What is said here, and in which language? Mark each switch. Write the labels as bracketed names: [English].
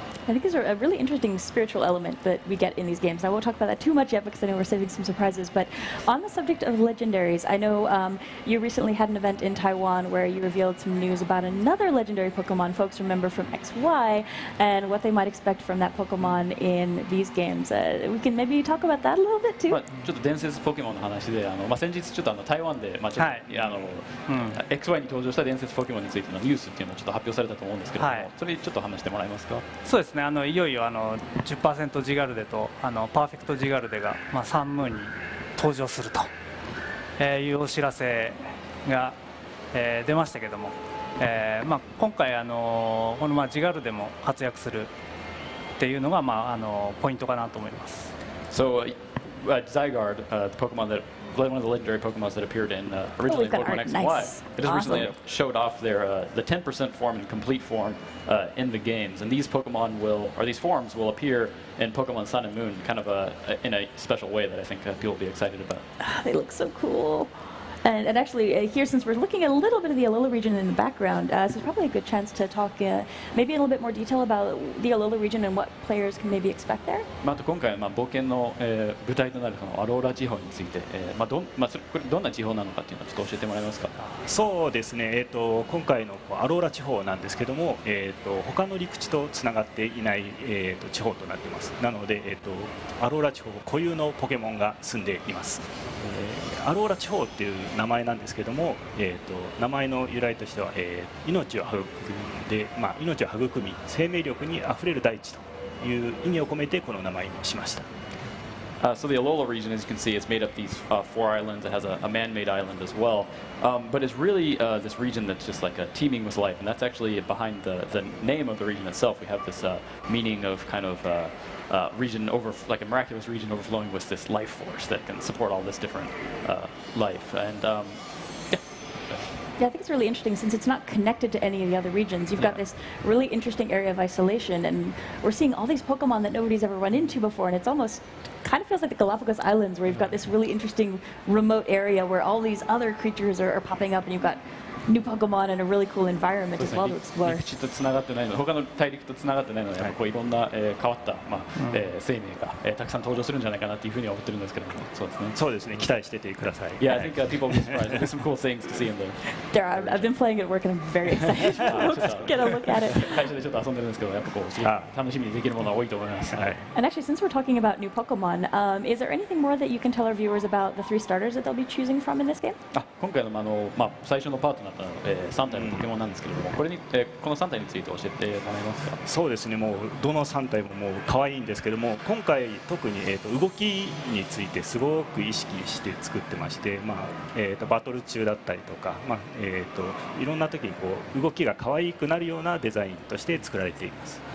[English] I think there's a really interesting spiritual element that we get in these games. I won't talk about that too much yet because I know we're saving some surprises. But on the subject of legendaries, I know you recently had an event in Taiwan where you revealed some news about another legendary Pokemon folks remember from XY and what they might expect from that Pokemon in these games. We can maybe talk about that a little bit too. [Japanese] ちょっと伝説ポケモンの話で、まあ、先日ちょっと台湾で、まあ、XY に登場した伝説ポケモンについてのニュースっていうのをちょっと発表されたと思うんですけども、それちょっと話してもらえますか。そうですね。いよいよ 10% ジガルデとパーフェクトジガルデが、まあ、サンムーンに登場するというお知らせが、出ましたけども、まあ、今回この、まあ、ジガルデも活躍するっていうのが、まあ、ポイントかなと思います。 [English] So, Zygarde, the Pokemon that... One of the legendary Pokemons that appeared in originally in Pokemon X and Y. It just recently showed off their the 10% form and complete form in the games. And these Pokemon will, or these forms will appear in Pokemon Sun and Moon kind of in a special way that I think people will be excited about. They look so cool. And actually, here, since we're looking at a little bit of the Alola region in the background, so it's probably a good chance to talk maybe in a little bit more detail about the Alola region and what players can maybe expect there. [Japanese] まあ、あと今回、まあ、冒険の、舞台となるそのアローラ地方について、まあ、これどんな地方なのかっていうのをちょっと教えてもらえますか。そうですね。今回のアローラ地方なんですけども、他の陸地とつながっていない、地方となっています。なので、アローラ地方固有のポケモンが住んでいます。アローラ地方っていう名前なんですけども、名前の由来としては、命を育んで、まあ、命を育み生命力にあふれる大地という意味を込めてこの名前にしました。 [English] So the Alola region, as you can see, it's made up of these four islands. It has a man-made island as well. But it's really this region that's just like a teeming with life. And that's actually behind the name of the region itself. We have this meaning of kind of region over, like a miraculous region overflowing with this life force that can support all this different life. And, Yeah, I think it's really interesting since it's not connected to any of the other regions. You've got this really interesting area of isolation, and we're seeing all these Pokemon that nobody's ever run into before, and it's almost kind of feels like the Galapagos Islands where you've got this really interesting remote area where all these other creatures are popping up, and you've got new Pokemon in a really cool environment as well to explore. [Japanese] 陸地とつながってないので、他の大陸とつながってないので、こういろんな、変わった、まあ、生命が、たくさん登場するんじゃないかなというふうに思ってるんですけども、そうですね。そうですね。期待しててください。 [English] Yeah, I think people will be surprised. There's some cool things to see in there. There are. I've been playing at work and I'm very excited to get a look at it. [Japanese] 会社でちょっと遊んでるんですけど、やっぱこう、楽しみにできるものは多いと思います。 [English] And actually, since we're talking about new Pokemon, is there anything more that you can tell our viewers about the three starters that they'll be choosing from in this game? [Japanese] 今回の、まあ、最初のパートナーの、3体のポケモンなんですけれども、これに、この3体について教えてもらえますか？そうですね、もうどの3体ももう可愛いんですけども、今回特に、動きについてすごく意識して作ってまして、まあバトル中だったりとか、まあいろんな時にこう動きが可愛くなるようなデザインとして作られています。